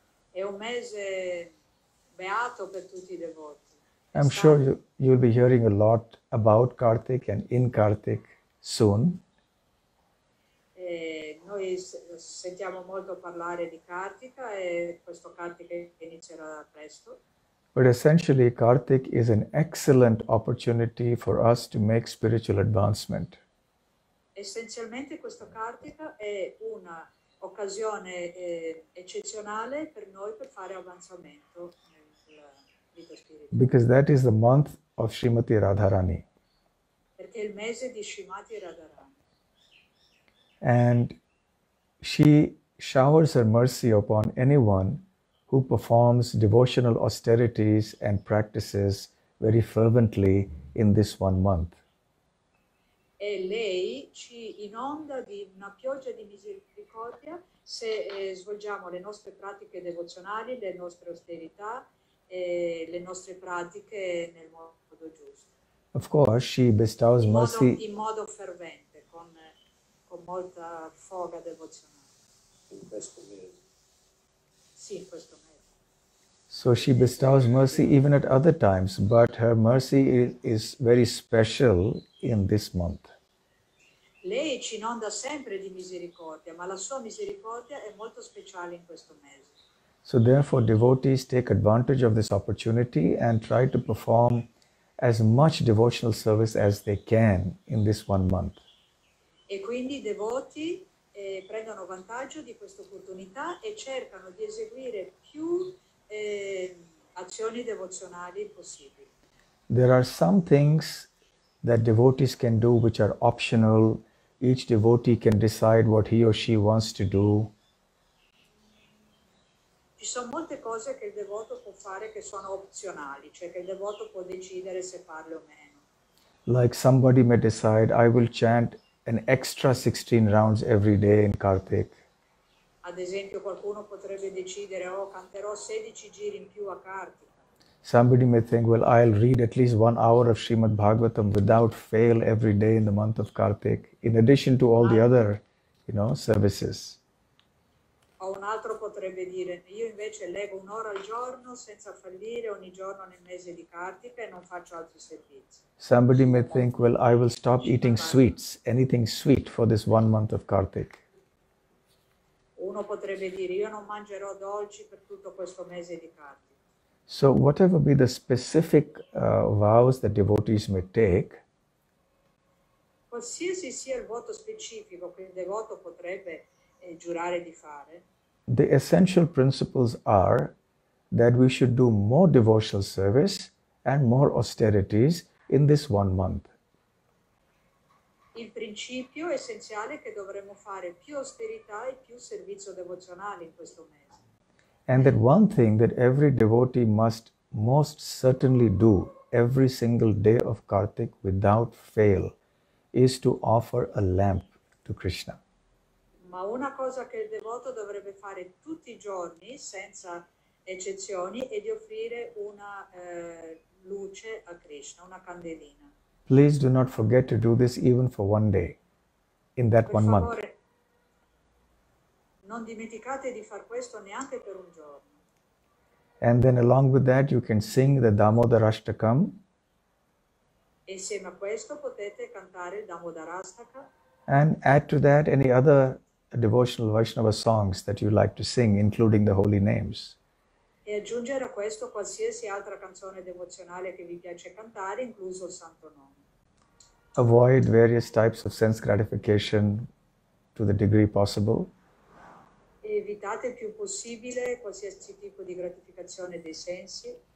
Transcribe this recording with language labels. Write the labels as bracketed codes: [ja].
[it] È un mese beato per tutti i devoti. [en] I'm sure you'll be hearing a lot about Kartik and in Kartik soon. [it] Noi sentiamo molto parlare di Kartika e questo Kartika inizierà presto. [en] But essentially, Kartik is an excellent opportunity for us to make spiritual advancement. [it] Essenzialmente, questo Kartika è una occasione eccezionale per noi per fare avanzamento nella vita spirituale. [en] Because that is the month of Srimati Radharani. [it] Perché è il mese di Srimati Radharani. [en] And she showers her mercy upon anyone who performs devotional austerities and practices very fervently in this one month. [it] E lei ci inonda di una pioggia di misericordia se svolgiamo le nostre pratiche devozionali, le nostre austerità e le nostre pratiche nel modo giusto. [en] Of course, she bestows mercy [it] in modo fervente, con molta foga devozionale. in questo mese. Sì, in questo mese. [en] So she bestows mercy even at other times, but her mercy is very special in this month. [it] Lei ci inonda sempre di misericordia, ma la sua misericordia è molto speciale in questo mese. [en] So therefore devotees take advantage of this opportunity and try to perform as much devotional service as they can in this one month. [it] E quindi i devoti prendono vantaggio di questa opportunità e cercano di eseguire più azioni devozionali possibili. [en] There are some things that devotees can do which are optional. Each devotee can decide what he or she wants to do. [it] Ci sono molte cose che il devoto può fare che sono opzionali, cioè che il devoto può decidere se farle o meno. [en] Like somebody may decide, I will chant an extra 16 rounds every day in Kartik. [it] Ad esempio, qualcuno potrebbe decidere, oh, canterò 16 giri in più a Kartik. [en] Somebody may think, well, I'll read at least 1 hour of Srimad Bhagavatam without fail every day in the month of Kartik, in addition to all the other, you know, services. [it] O un altro potrebbe dire, io invece leggo un'ora al giorno senza fallire ogni giorno nel mese di Kartik e non faccio altri servizi. [en] Somebody may think, well, I will stop eating sweets, anything sweet for this 1 month of Kartik. [it] Uno potrebbe dire, io non mangerò dolci per tutto questo mese di Kartik. [en] So whatever be the specific vows that devotees may take, [it] qualsiasi sia il voto specifico che il devoto potrebbe giurare di fare, [en] the essential principles are that we should do more devotional service and more austerities in this 1 month. [it] Il principio essenziale è che dovremmo fare più austerità e più servizio devozionale in questo mese. [en] And that one thing that every devotee must most certainly do every single day of Kartik without fail is to offer a lamp to Krishna. [it] Ma una cosa che il devoto dovrebbe fare tutti i giorni senza eccezioni è di offrire una luce a Krishna, una candelina. [en] Please do not forget to do this even for one day in that [it] per [en] one [it] favore, [en] month. [it] Non dimenticate di far questo neanche per un giorno. [en] And then along with that you can sing the Damodarashtakam. [it] E insieme a questo potete cantare il Damodarashtaka. [en] And add to that any other devotional Vaishnava songs that you like to sing, including the holy names. [it] E aggiungere a questo qualsiasi altra canzone devozionale che vi piace cantare, incluso il santo nome. [en] Avoid various types of sense gratification to the degree possible. [it] Evitate il più possibile qualsiasi tipo di gratificazione dei sensi.